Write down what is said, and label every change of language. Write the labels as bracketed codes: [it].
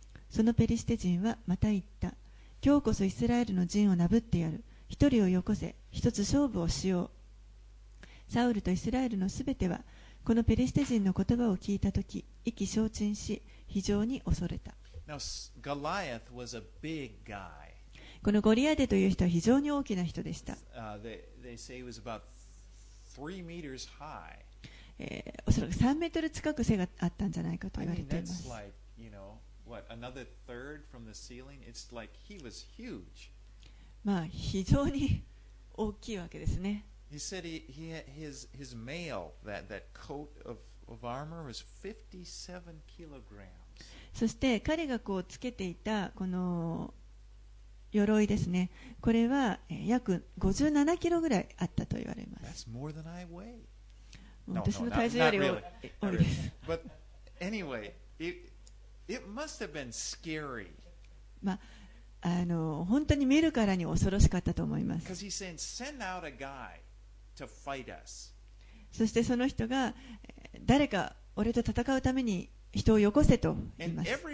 [ja] そのペリシテ人はまた言った。今日こそイスラエルの陣をなぶってやる。一人をよこせ。一つ勝負をしよう。サウルとイスラエルのすべては、このペリシテ人の言葉を聞いたとき、意気消沈し、非常に恐れた。 [en] Now, Goliath was a big guy. [ja] このゴリアテという人は非常に大きな人でした。 [en] They say he was about 3 meters high. [ja] おそらく3メートル近く背があったんじゃないかと言われています。 [en] I mean, that's like, you know, what, another third from the ceiling? It's like he was huge. [ja] まあ、非常に大きいわけですね。 [en] He said he had his mail, that coat of armor was 57 kilograms. [ja] そして彼がこうつけていたこの鎧ですね、これは約57キロぐらいあったと言われます。 [en] That's more than I weigh. No, [ja] 私の体重より多いです。 [en] But anyway, it must have been scary. [ja] まあ、本当に見るからに恐ろしかったと思います。 [en] Because he's saying, send out a guy to fight us. [ja] そしてその人が誰か俺と戦うために人をよこせと言います。